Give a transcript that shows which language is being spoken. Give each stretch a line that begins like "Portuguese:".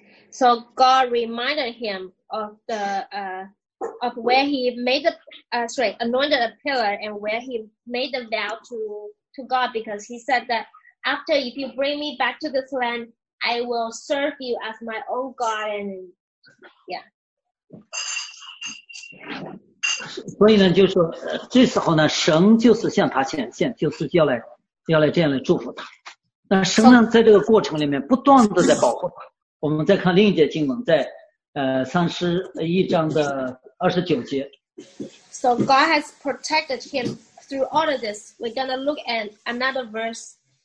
English: So God reminded him of the of where he made the anointed a pillar and where he made the vow to God because he said that. After, if you bring me back to this land, I will serve you as my own God. And yeah.
Chinese: 所以呢，就是这时候呢，神就是向他显现，就是要来这样来祝福他。那神呢，在这个过程里面不断的在保护他。我们再看另一节经文，在31:29。
English: So God has protected him through all of this. We're gonna look at another verse.